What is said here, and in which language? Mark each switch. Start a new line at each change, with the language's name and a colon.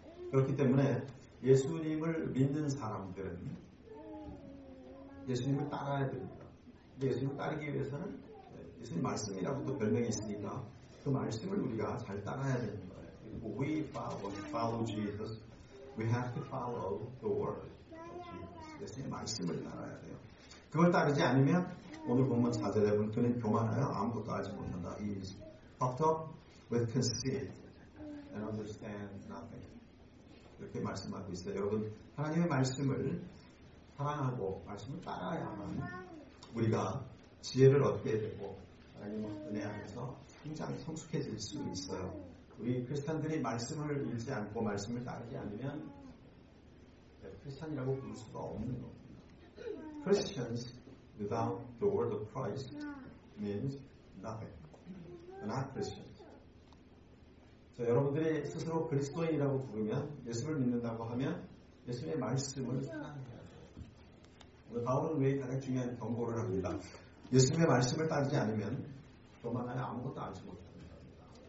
Korean: 그렇기 때문에 예수님을 믿는 사람들은 예수님을 따라야 됩니다. 근데 예수님을 따르기 위해서는 예수님 말씀이라고 또 별명이 있으니까 그 말씀을 우리가 잘 따라야 되는 거예요.
English: We follow Jesus. We have to follow the word of Jesus.
Korean: 예수님의 말씀을 따라야 돼요. 그걸 따르지 않으면 오늘 본문 4절 여러분 그는 교만하여 아무것도 알지 못한다.
English: He is puffed up with conceit and understand nothing.
Korean: 이렇게 말씀하고 있어요. 여러분 하나님의 말씀을 사랑하고 말씀을 따라야만 우리가 지혜를 얻게 되고 하나님의 은혜 안에서 굉장히 성숙해질 수 있어요. 우리 크리스찬들이 말씀을 읽지 않고 말씀을 따르지 않으면 크리스찬이라고 부를 수가 없는 겁니다.
English: Christians without the word of Christ means nothing. They're not Christians.
Korean: 자, 여러분들이 스스로 그리스도인이라고 부르면 예수를 믿는다고 하면 예수님의 말씀을 사랑해야 돼요. 바울은 왜 가장 중요한 경고를 합니다. 예수님의 말씀을 따르지 않으면 교만하여 아무것도 알지 못하는 겁니다.